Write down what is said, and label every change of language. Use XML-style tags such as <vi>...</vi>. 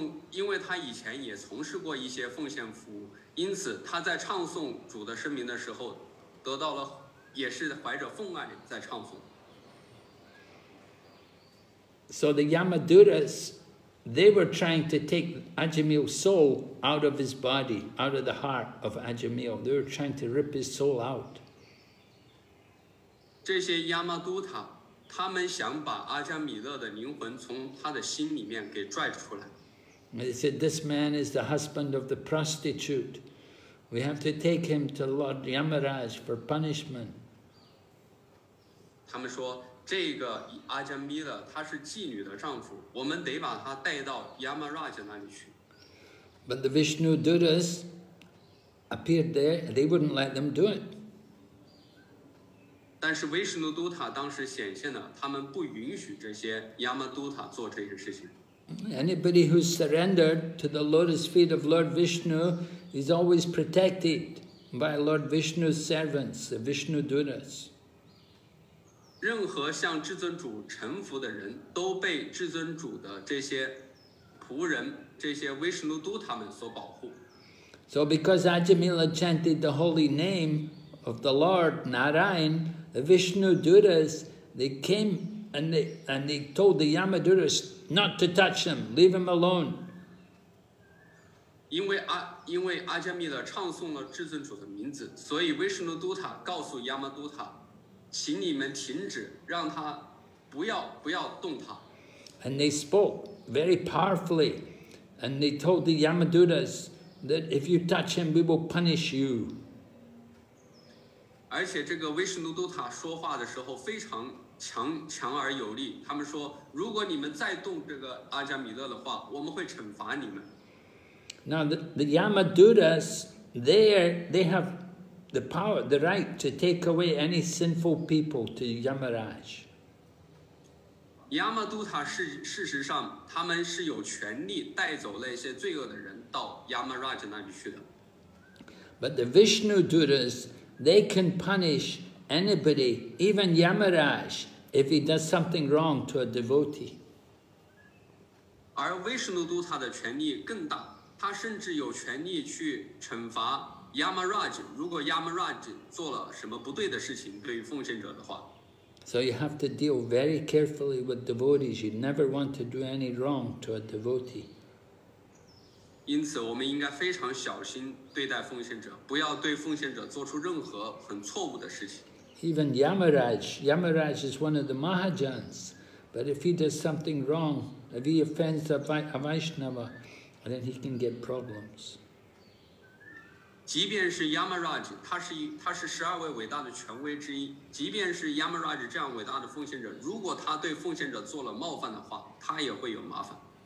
<zh>因为他以前也从事过一些奉献服务，因此他在唱诵主的圣名的时候，得到了也是怀着奉爱在唱诵。</zh> <en>So the Yamaduras, they were trying to take Ajimil's soul out of his body, out of the heart of Ajimil. They were trying to rip his soul out.</en> <zh>这些亚玛都塔，他们想把阿加米勒的灵魂从他的心里面给拽出来。</zh> <en>They said, this man is the husband of the prostitute. We have to take him to Lord Yamaraj for punishment.</en> <zh>他们说这个阿加米勒他是妓女的丈夫，我们得把他带到 Yamaraj 那里去。</zh> <en>But the Vishnu Duras appeared there, they wouldn't let them do it.</en> <zh>但是 Vishnu Duta 当时显现了，他们不允许这些 Yamaduta 做这些事情。</zh> <en>Anybody who surrendered to the lotus feet of Lord Vishnu is always protected by Lord Vishnu's servants, the Vishnu Duras.</en> <zh>任何向至尊主臣服的人都被至尊主的这些仆人，这些维什努都他们所保护。</zh> <en>So because Ajimila chanted the holy name of the Lord Narayan, the Vishnu Duras, they came and they told the Yamaduras not to touch him, leave him alone.</en> <zh>因为阿加米勒唱诵了至尊主的名字，所以维什努都塔告诉亚玛都塔，请你们停止，让他不要动他。</zh> <en>And they spoke very powerfully, and they told the Yamadutas that if you touch him, we will punish you.</en> <zh>而且这个维什努都塔说话的时候非常强而有力。他们说，如果你们再动这个阿加米勒的话，我们会惩罚你们。</zh> <en>Now the Yamadutas they have. The power, the right to take away any sinful people to Yamaraj.</en> <zh>Yamaduta, 事实上，他们是有权利带走那些罪恶的人到 Yamaraj 那里去的。</zh> <en>But the Vishnu Duras, they can punish anybody, even Yamaraj, if he does something wrong to a devotee.</en> <zh>而 Vishnu Duta 的权力更大，他甚至有权利去惩罚。 Yamaraj, 如果 Yamaraj 做了什么不对的事情对于奉献者的话。</zh> <en>So you have to deal very carefully with devotees. You never want to do any wrong to a devotee.</en> <zh>因此我们应该非常小心对待奉献者，不要对奉献者做出任何很错误的事情。</zh> <en>Even Yamaraj is one of the Mahajans, but if he does something wrong, if he offends a Vaishnava, then he can get problems.</en> <zh>即便是 Yamaraj, 他是十二位伟大的权威之一，即便是 Yamaraj 这样伟大的奉献者，如果他对奉献者做了冒犯的话，他也会有麻烦。</zh>